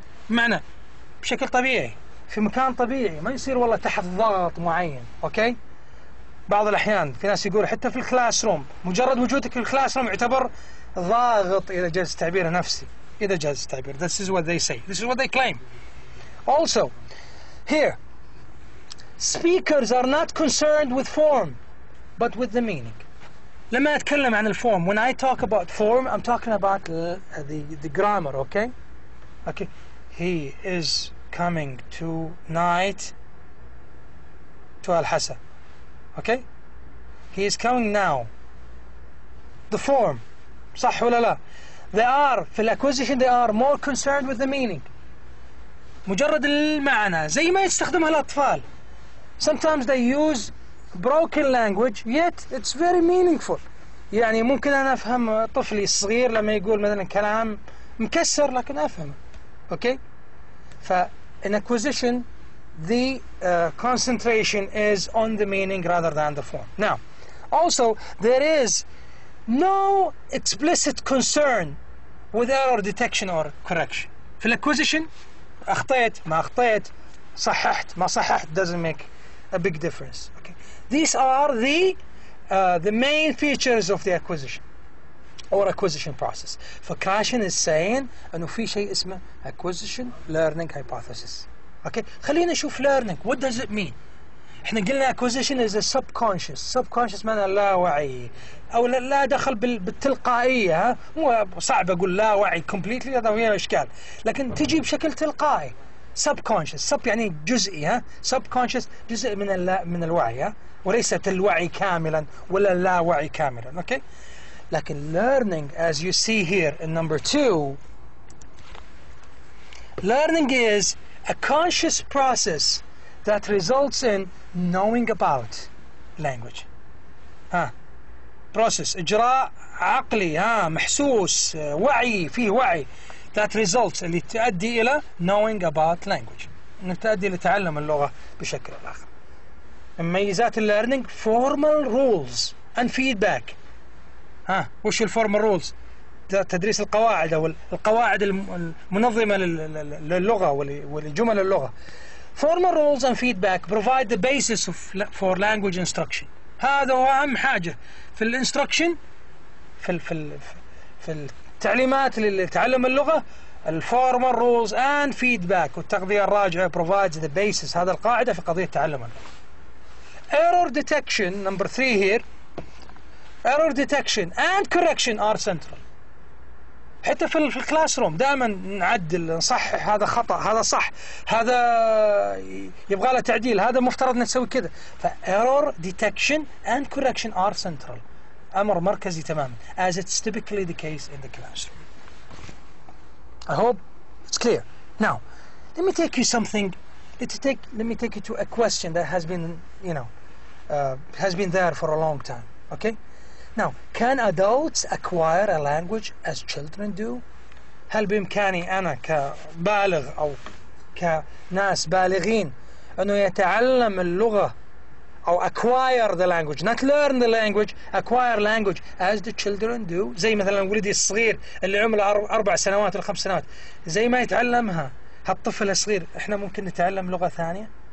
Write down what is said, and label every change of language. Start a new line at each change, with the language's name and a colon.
Arabic: معنى بشكل طبيعي, في مكان طبيعي, ما يصير والله تحت ضغط معين, okay? بعض الأحيان في ناس يقول حتى في الكلاس روم, مجرد وجودك في الكلاس روم يعتبر ضاغط, إذا جاز التعبير نفسي, إذا جاز التعبير.
English: This is what they say, this is what they claim. Also, here, speakers are not concerned with form, but with the meaning.
Arabic: لما أتكلم عن الفورم,
English: when I talk about form, I'm talking about the grammar, okay? Okay, he is coming tonight to Al-Hasa, okay? He is coming now. The form,
Arabic: صح ولا لا؟
English: They are,
Arabic: في الacquisition,
English: they are more concerned with the meaning.
Arabic: مجرد المعنى, زي ما يستخدمها الأطفال.
English: Sometimes they use broken language, yet it's very meaningful.
Arabic: يعني ممكن أنا أفهم طفلي الصغير لما يقول مثلا كلام مكسر, لكن أفهم.
English: Okay? In acquisition, the concentration is on the meaning rather than the form. Now, also, there is no explicit concern with error detection or correction.
Arabic: في الacquisition, أخطيت, ما أخطيت, صححت, ما صححت,
English: doesn't make a big difference.
Arabic: Okay.
English: These are the main features of the acquisition or acquisition process. For Krashen is saying,
Arabic: أنه في شيء اسمه
English: acquisition learning hypothesis. Okay.
Arabic: خلينا نشوف
English: learning. What does it mean?
Arabic: إحنا قلنا
English: acquisition is a subconscious.
Arabic: Subconscious معنى لا وعي. أو لا دخل بالتلقائية. مو صعب أقول لا وعي completely, هذا فيها إشكال. لكن تجي بشكل تلقائي. Subconscious. Sub يعني جزئي. Subconscious جزء من الوعي. وليست الوعي كاملا ولا لا وعي كاملا.
English: Okay. لكن learning, as you see here in number two, learning is a conscious process that results in knowing about language.
Arabic: ها process إجراء عقلي ها محسوس وعي فيه وعي
English: that results
Arabic: اللي تؤدي إلى
English: knowing about language
Arabic: إنه تؤدي لتعلم اللغة بشكل آخر. مميزات الـ learning
English: formal rules and feedback.
Arabic: ها وش الـ formal rules؟ تدريس القواعد أو القواعد المنظمة للغة ولجمل اللغة.
English: Formal rules and feedback provide the basis of for language instruction.
Arabic: هذا هو أهم حاجة في الانستركشن في الـ في الـ في التعليمات لتعلم اللغة.
English: Formal rules and feedback
Arabic: والتغذية الراجعة
English: provides the basis
Arabic: هذا القاعدة في قضية تعلم اللغة.
English: Error detection number three here. Error detection and correction are central.
Arabic: حتى في الكلاس روم دائما نعدل نصحح هذا خطأ هذا صح هذا يبغى له تعديل هذا مفترض نسوي كذا.
English: ف error detection and correction are central
Arabic: أمر مركزي تماما
English: as it's typically the case in the classroom. I hope it's clear. Now let me take you something let me take you to a question that has been you know has been there for a long time. Okay, now can adults acquire a language as children do?
Arabic: هل بإمكاني أنا كبالغ أو كناس بالغين أنه يتعلم اللغة أو
English: acquire the language not learn the language acquire language as the children do
Arabic: زي مثلا ولدي الصغير اللي عمره 4 سنوات أو 5 سنوات زي ما يتعلمها هالطفل الصغير إحنا ممكن نتعلم لغة ثانية.